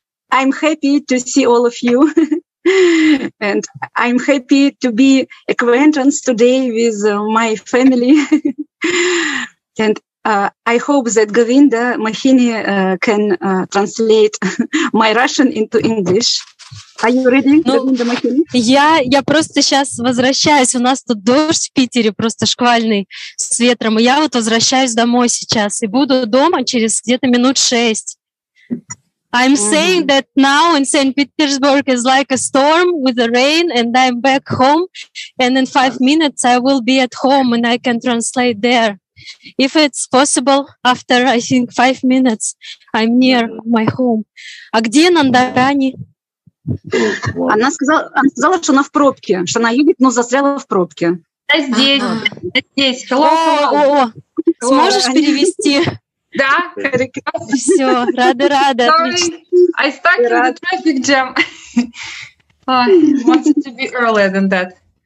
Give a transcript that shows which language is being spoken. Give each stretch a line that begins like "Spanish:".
English: I'm happy to see all of you. And I'm happy to be acquaintance today with my family. And I hope that Govinda Mohini can translate my Russian into English. Are you ready?
Russian: Ну, я просто сейчас возвращаюсь. У нас тут дождь в Питере, просто шквальный с ветром. И я вот возвращаюсь домой сейчас и буду дома через где-то минут шесть.
English: I'm saying that now in St. Petersburg is like a storm with the rain, and I'm back home, and in 5 minutes I will be at home and I can translate there. If it's possible, after I think 5 minutes, I'm near my home.
Russian: А где Нандарани? Она сказала, что она в пробке, что она едет, но застряла в пробке. Я здесь, здесь.
English: Hello.
Russian: Сможешь перевести? Да. Все, рада.
English: Sorry, I stuck in the traffic jam. Wanted to be earlier than that.